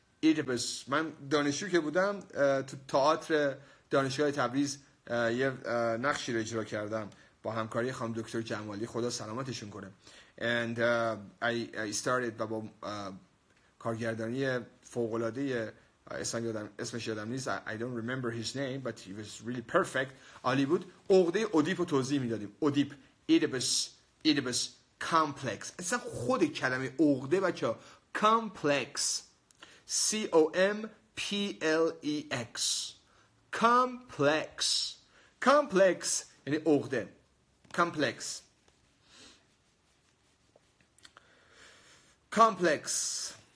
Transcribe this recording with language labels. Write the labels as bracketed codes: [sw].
[fa] oedipus من دانشجو که بودم تو تئاتر دانشگاه تبریز یه نقشی رو اجرا کردم با همکاری خانم دکتر جمالی خدا سلامتشون کنه. [en] And I started [fa] با کارگردانی فوق‌العاده اسمش یادم نیست. [en] I don't remember his name but he was really perfect. [fa] عالی بود. عقده اودیپ رو توضیح میدادیم. اودیپ ایدیپس کامپلکس. اصلا خود کلمه عقده بچه ها کامپلکس. C-O-M-P-L-E-X کامپلکس. کامپلکس یعنی عقده. کامپلکس کامپلکس.